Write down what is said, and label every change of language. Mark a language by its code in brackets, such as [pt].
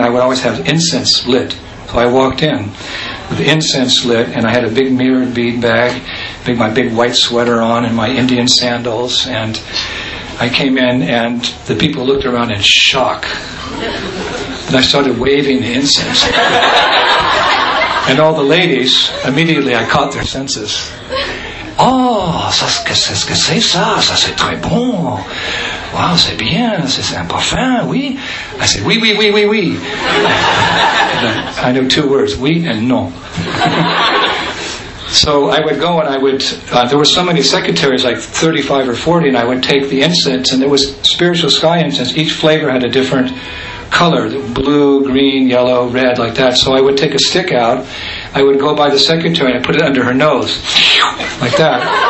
[en] I would always have incense lit. So I walked in with incense lit, and I had a big mirrored bead bag, my big white sweater on, and my Indian sandals. And I came in, and the people looked around in shock. And I started waving the incense. And all the ladies, immediately I caught their senses. [fr] Oh, ça, qu'est-ce que c'est ça? Ça, c'est très bon. Wow, c'est bien. C'est un parfum, oui. [en] I said, [fr] oui, oui, oui, oui, oui. [en] I know two words, oui and non. So I would go, and I would, there were so many secretaries, like 35 or 40, and I would take the incense, and there was spiritual sky incense. Each flavor had a different color, blue, green, yellow, red, like that. So I would take a stick out, I would go by the secretary, and I put it under her nose, like that.